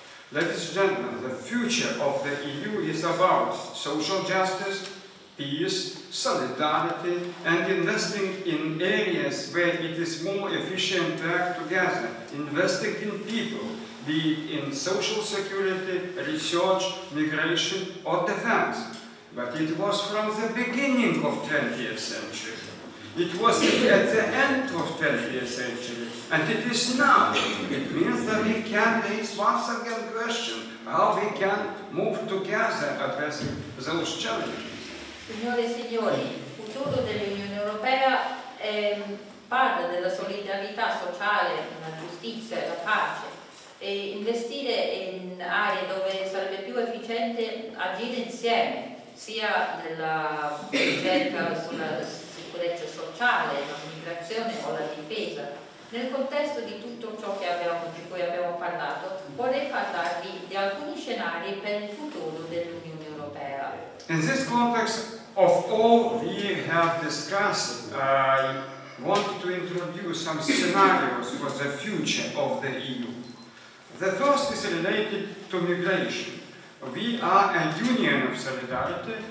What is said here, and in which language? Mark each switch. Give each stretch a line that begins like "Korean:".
English: Ladies and gentlemen, the future of the EU is about social justice, peace, solidarity and investing in areas where it is more efficient to act together, investing in people, be it in social security, research, migration or defense. But it was from the beginning of 20th century It was at the end of 20th century, and it is now. It means that we can raise once again the question how we can move together addressing those challenges.
Italian: Signore e signori, il futuro dell'Unione Europea parla della solidarietà sociale, la giustizia e la pace, e investire in aree dove sarebbe più efficiente agire insieme, sia nella ricerca sulla sicurezza sociale, la migrazione o la difesa. Nel contesto di tutto ciò che abbiamo, di cui abbiamo parlato, vorrei parlarvi di alcuni scenari per il futuro dell'Unione Europea.
English: In this context of all we have discussed, I want to introduce some scenarios for the future of the EU. The first is related to migration. We are a union of solidarity.